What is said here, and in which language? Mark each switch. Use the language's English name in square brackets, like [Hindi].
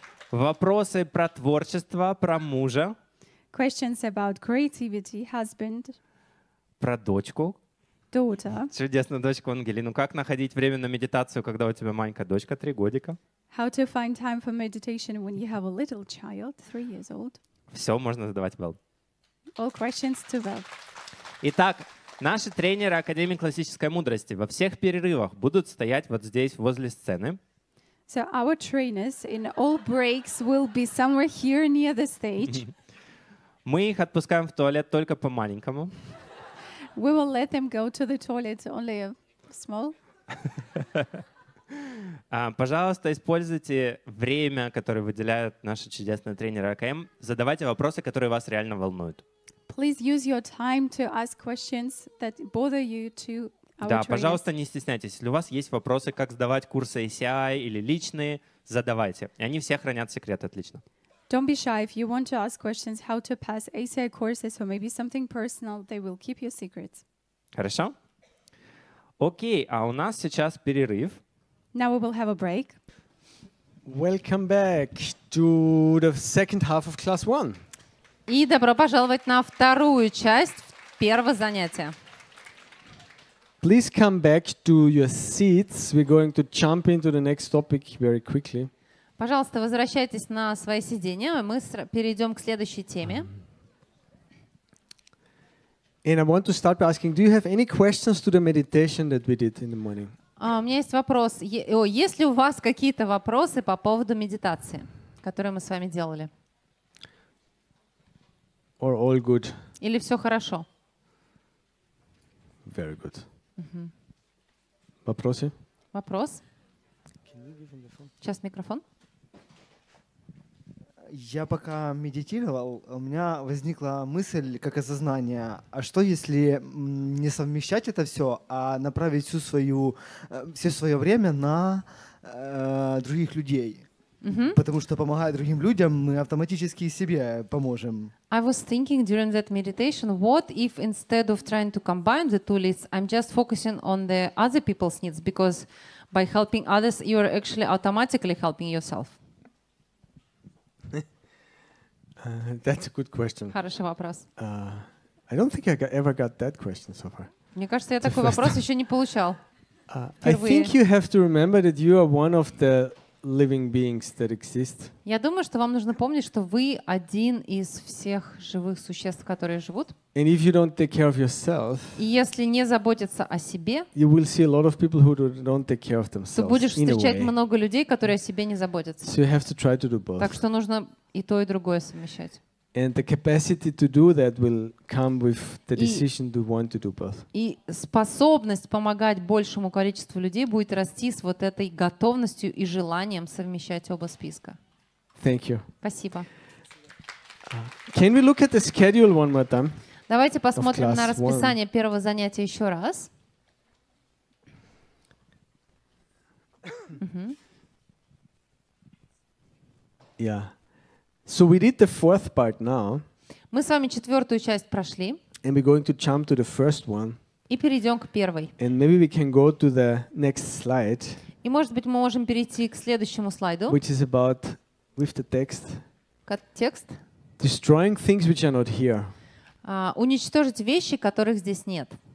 [Russian] Вопросы про творчество, про мужа. [English] Questions about creativity, husband. [Russian] Про дочку. [English] Daughter. [Russian] Чудесно, дочку Ангелину. Как находить время на медитацию, когда у тебя маленькая дочка, 3 годика? [English] How to find time for meditation when you have a little child, 3 years old? [Russian] Все можно задавать Вэл. [English] All questions to Вэл. [Russian] Итак, наши тренеры Академии классической мудрости во всех перерывах будут стоять вот здесь, возле сцены. [English] So our trainers in all breaks will be somewhere here near the stage. [Russian] Мы их отпускаем в туалет только по маленькому. [English] We will let them go to the toilet only small. [Russian] Пожалуйста, используйте время, которое выделяют наши чудесные тренеры АКМ. Задавайте вопросы, которые вас реально волнуют. [English] Please use your time to ask questions that bother you to our trainers. [Russian] Да, пожалуйста, не стесняйтесь. Если у вас есть вопросы, как сдавать курсы ACI или личные, задавайте. И они все хранят секрет отлично. [English] Don't be shy. If you want to ask questions, how to pass ACI courses or maybe something personal, they will keep your secrets. [Russian] Хорошо. Окей, а у нас сейчас перерыв. [English] Now we will have a break. Welcome back to the second half of class one. [Russian] И добро пожаловать на вторую часть первого занятия. [English] Please come back to your seats. We're going to jump into the next topic very quickly. [Russian] Пожалуйста, возвращайтесь на свои сиденья, и мы перейдем к следующей теме. [English] And I want to start by asking, do you have any questions to the meditation that we did in the morning? [Russian] У меня есть вопрос. Есть ли у вас какие-то вопросы по поводу медитации, которую мы с вами делали? [English] Or all good? [Russian] Или все хорошо? [English] Very good. Uh-huh. [Russian] Вопросы? Вопрос. Сейчас микрофон. Я пока медитировал, у меня возникла мысль как осознание, а что если не совмещать это все, а направить все свое время на других людей? Mm-hmm. Потому что помогая другим людям, мы автоматически себе поможем. [English] I was thinking during that meditation, what if instead of trying to combine the two leads, I'm just focusing on the other people's needs, because by helping others, you're actually automatically helping yourself. That's a good question. [Russian] Хороший вопрос. [English] I don't think I ever got that question so far. [Russian] Мне кажется, я такой вопрос еще не получал. [English] I think you have to remember that you are one of the living beings that exist. [Russian] Я думаю, что вам нужно помнить, что вы один из всех живых существ, которые живут. [English] And if you don't take care of yourself, [Russian] если не заботиться о себе, [English] you will see a lot of people who don't take care of themselves. [Russian] Ты будешь встречать много людей, которые о себе не заботятся. [English] So you have to try to do both. [Russian] Так что нужно и то, и другое совмещать. [English] And the capacity to do that will come with the decision to want to do both. [Russian] И способность помогать большему количеству людей будет расти с вот этой готовностью и желанием совмещать оба списка. [English] Thank you. [Russian] Спасибо. [English] Can we look at the schedule one more time? [Russian] Давайте посмотрим на расписание первого занятия еще раз. [English] Yeah. So we did the fourth part now. [Russian] Мы с вами четвертую часть прошли. [English] And we're going to jump to the first one. [Russian] И перейдем к первой. [English] And maybe we can go to the next slide. [Russian] И может быть мы можем перейти к следующему слайду. [English] Which is about with the text. [Russian] Текст. [English] Destroying things which are not here. [Russian] Уничтожить вещи, которых здесь нет.